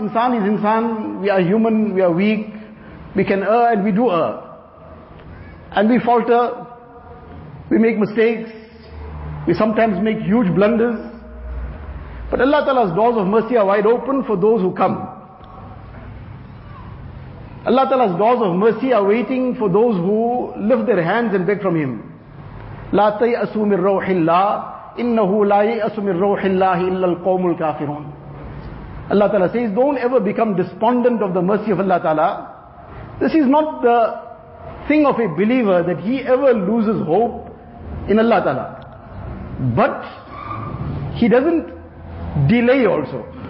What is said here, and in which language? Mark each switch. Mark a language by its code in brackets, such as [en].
[en] Insan is insan. We are human. We are weak. We can err and we do err. And we falter. We make mistakes. We sometimes make huge blunders. But Allah Ta'ala's doors of mercy are wide open for those who come. Allah Ta'ala's doors of mercy are waiting for those who lift their hands and beg from Him. [ar] لا تيأسوا من روح الله إنه لا يأس من روح الله إلا القوم الكافرون. [en] Allah Ta'ala says, don't ever become despondent of the mercy of Allah Ta'ala. This is not the thing of a believer that he ever loses hope in Allah Ta'ala. But he doesn't delay also.